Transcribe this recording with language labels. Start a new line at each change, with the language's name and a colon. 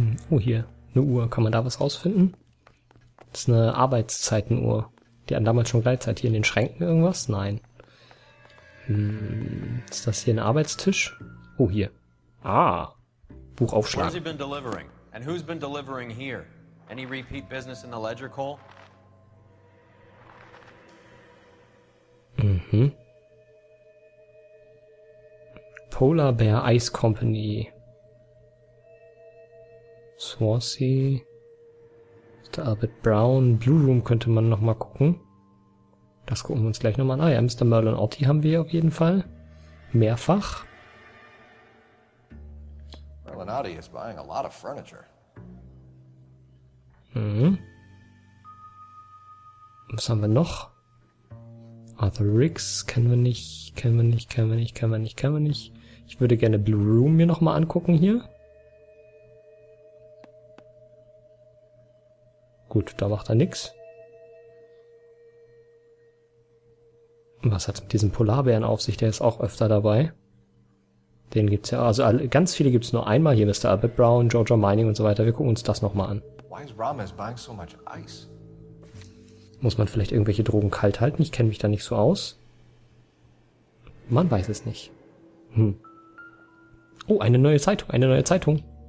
German: Oh, hier, eine Uhr. Kann man da was rausfinden? Das ist eine Arbeitszeitenuhr. Die hatten damals schon Gleitzeit. Hier in den Schränken irgendwas? Nein. Ist das hier ein Arbeitstisch? Oh, hier. Ah, Buch aufschlagen.
English: Where has he been delivering? And who's been delivering here? Any repeat business in the ledger, Cole? Mhm. Polar Bear Ice Company. Swansea. Mr. Albert Brown.
German: Blue Room könnte man nochmal gucken. Das gucken wir uns gleich nochmal an. Ah ja, Mr. Merlin Otti haben wir auf jeden Fall. Mehrfach.
English: Merlin Otti is buying a lot of furniture.
German: Was haben wir noch? Arthur Riggs kennen wir nicht, kennen wir nicht, kennen wir nicht, kennen wir nicht, kennen wir nicht. Ich würde gerne Blue Room mir nochmal angucken hier. Gut, da macht er nix. Was hat's mit diesem Polarbären auf sich? Der ist auch öfter dabei. Den gibt's ja, also ganz viele gibt's nur einmal hier. Mr. Albert Brown, Georgia Mining und so weiter. Wir gucken uns das nochmal an.
English: Why is Ramez buying so much ice?
German: Muss man vielleicht irgendwelche Drogen kalt halten? Ich kenne mich da nicht so aus. Man weiß es nicht. Oh, eine neue Zeitung, eine neue Zeitung.